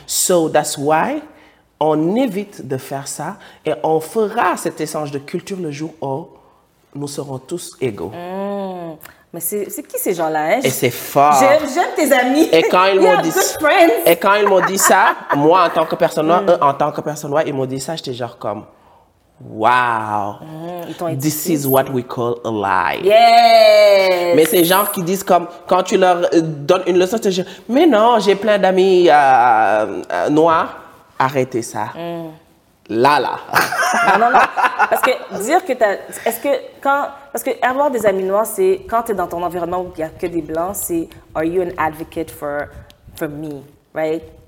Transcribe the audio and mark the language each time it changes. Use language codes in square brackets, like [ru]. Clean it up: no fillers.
[en] So, that's why [fr] on évite de faire ça et on fera cet échange de culture le jour où nous serons tous égaux. Mais c'est qui ces gens-là, hein? Et c'est fort. J'aime tes amis. Et quand ils m'ont dit ça, moi, en tant que personne noire, eux, en tant que personne noire, ils m'ont dit ça, j'étais genre comme... [en] Wow, this is what we call a lie. Yes. [fr] Mais ces gens qui disent comme, quand tu leur donnes une leçon, tu te dis, mais non, j'ai plein d'amis noirs. Arrêtez ça. Là. Non. Parce que dire que t'as, parce que avoir des amis noirs, c'est quand t'es dans ton environnement où il n'y a que des blancs, c'est, [en] are you an advocate for me, right?